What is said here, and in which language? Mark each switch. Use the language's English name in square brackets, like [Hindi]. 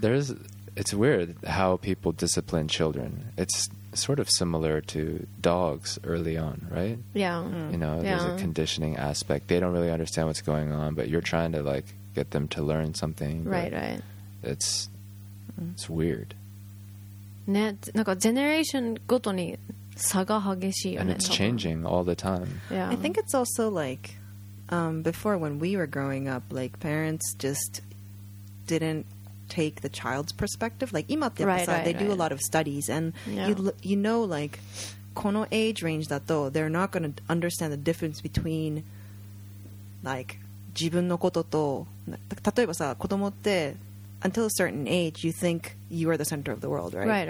[English] There's, it's weird how people discipline children. It's sort of similar to dogs early on, right? Yeah. You know, yeah, there's a conditioning aspect. They don't really understand what's going on, but you're trying to like get them to learn something. Right, right. It's weird. [Japanese] ね、なんかジェネレーションごとに差が激しいよね。 [English] And it's changing all the time. Yeah. I think it's also like, before when we were growing up, like parents just didn't take the child's perspective. Like [Japanese] 今ってさ、 [English] right, right, they right. do a lot of studies and yeah. you know, like [Japanese] この [English] age range だと they're not going to understand the difference between like [Japanese] 自分のことと、例えばさ、子供って [English] until a certain age you think you are the center of the world, right?